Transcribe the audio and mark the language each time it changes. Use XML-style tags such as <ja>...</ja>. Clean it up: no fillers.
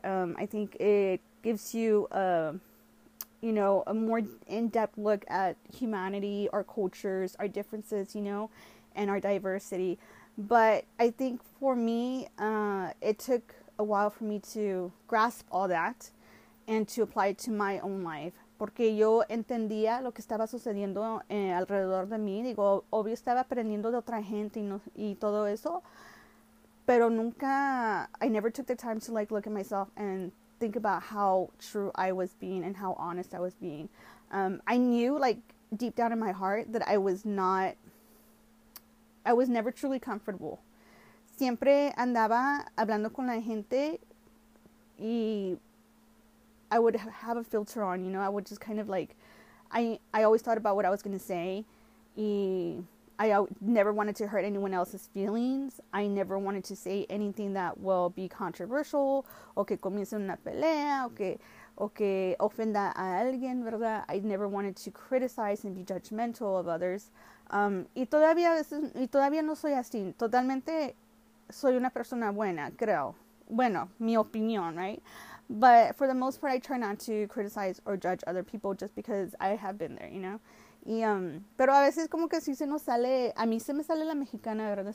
<en>I think it gives you, you know, a more in-depth look at humanity, our cultures, our differences, you know, and our diversity. But I think for me, it took a while for me to grasp all that and to apply it to my own life.</en> <es>Porque yo entendía lo que estaba sucediendo alrededor de mí. Digo, obvio estaba aprendiendo de otra gente y todo eso. Pero nunca,</es> <en>I never took the time to like look at myself and think about how true I was being and how honest I was being. I knew like deep down in my heart that I was never truly comfortable.</en> <es>Siempre andaba hablando con la gente y</es> <en>I would have a filter on, you know, I would just kind of like, I always thought about what I was going to say. I never wanted to hurt anyone else's feelings. I never wanted to say anything that will be controversial</en> <es>o que comience una pelea o que ofenda a alguien, ¿verdad?</es> <en>I never wanted to criticize and be judgmental of others.</en> <es>Y todavía no soy así. Totalmente soy una persona buena, creo. Bueno, mi opinión,</es> <en>right? But for the most part, I try not to criticize or judge other people just because I have been there, you know?</en> <es>Pero a veces como que sí se nos sale, a mí se me sale la mexicana, ¿verdad?</es>